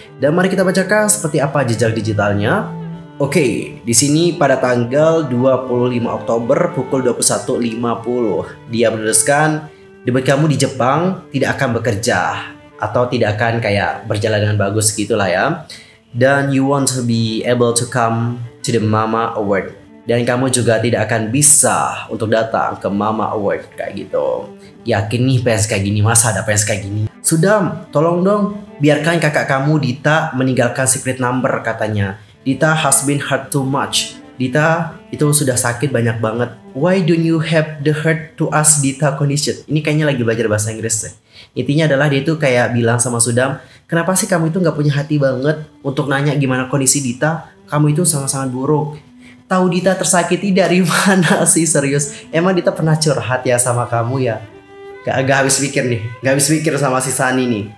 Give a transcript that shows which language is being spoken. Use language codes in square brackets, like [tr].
[id] Dan mari kita bacakan seperti apa jejak digitalnya. Oke, di sini pada tanggal 25 Oktober pukul 21.50 dia menuliskan, debut kamu di Jepang tidak akan bekerja atau tidak akan kayak berjalan dengan bagus gitulah ya. Dan [en] you want to be able to come to the Mama Award. [id] Dan kamu juga tidak akan bisa untuk datang ke Mama Award kayak gitu. Yakin nih fans kayak gini, masa ada fans kayak gini? Sudam, tolong dong biarkan kakak kamu Dita meninggalkan secret number katanya. [en] Dita has been hurt too much. [id] Dita itu sudah sakit banyak banget. [en] Why don't you have the heart to ask Dita condition? [id] Ini kayaknya lagi belajar bahasa Inggris sih. Intinya adalah dia itu kayak bilang sama Sudam, kenapa sih kamu itu gak punya hati banget untuk nanya gimana kondisi Dita? Kamu itu sangat-sangat buruk. Tahu Dita tersakiti dari mana sih, serius? Emang Dita pernah curhat ya sama kamu ya? Gak habis pikir nih, gak habis pikir sama si Sunny nih.